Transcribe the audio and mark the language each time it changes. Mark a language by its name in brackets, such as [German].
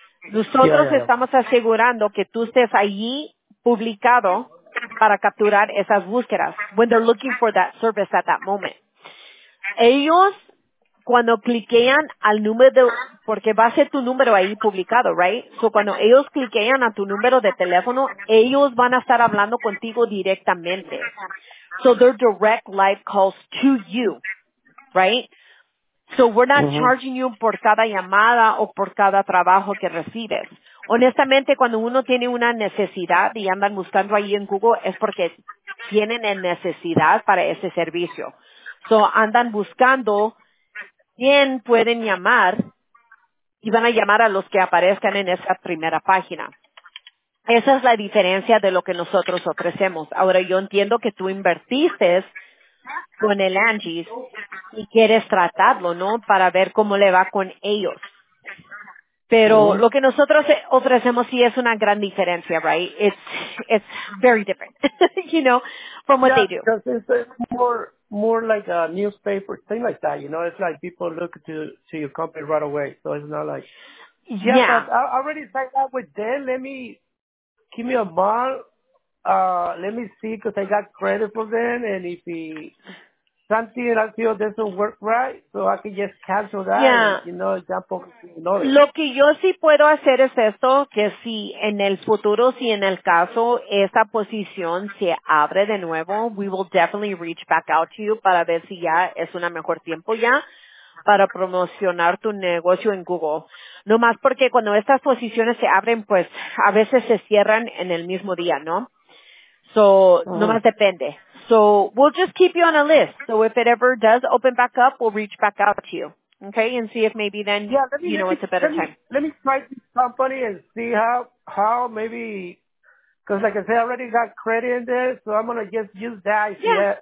[Spanish] Nosotros estamos asegurando que tú estés allí publicado para capturar esas búsquedas [English] when they're looking for that service at that moment. [Spanish] Ellos, cuando cliquean al número de, porque va a ser tu número ahí publicado, right? So cuando ellos cliquean a tu número de teléfono, ellos van a estar hablando contigo directamente. [English] So they're direct live calls to you, right? So we're not charging you [Spanish] por cada llamada o por cada trabajo que recibes. Honestamente, cuando uno tiene una necesidad y andan buscando ahí en Google, es porque tienen necesidad para ese servicio. So andan buscando quién pueden llamar y van a llamar a los que aparezcan en esa primera página. Esa es la diferencia de lo que nosotros ofrecemos. Ahora, yo entiendo que tú invertiste con el Angie's y quieres tratarlo, ¿no? Para ver cómo le va con ellos. Pero lo que nosotros ofrecemos sí es una gran diferencia, right? [English] It's very different, you know, from what they do. Because it's more like a newspaper, thing like that, you know? It's like people look to your company right away. So it's not like... Yeah. I already signed up with them. Let me... Give me a month. Let me see, because I got credit for them. And if something I feel doesn't work right, so I can just cancel that. Yeah. And, you know, [Spanish] tampoco. Lo que yo sí puedo hacer es esto, que si en el futuro, si en el caso, esa posición se abre de nuevo, [English] we will definitely reach back out to you [Spanish] para ver si ya es una mejor tiempo ya para promocionar tu negocio en Google. No más porque cuando estas posiciones se abren, pues a veces se cierran en el mismo día, ¿no? So, no más depende. [English] So, we'll just keep you on a list. So, if it ever does open back up, we'll reach back out to you. Okay? And see if maybe then, it's a better time. Let me try this company and see how maybe, because like I said, I already got credit in there, so I'm going to just use that.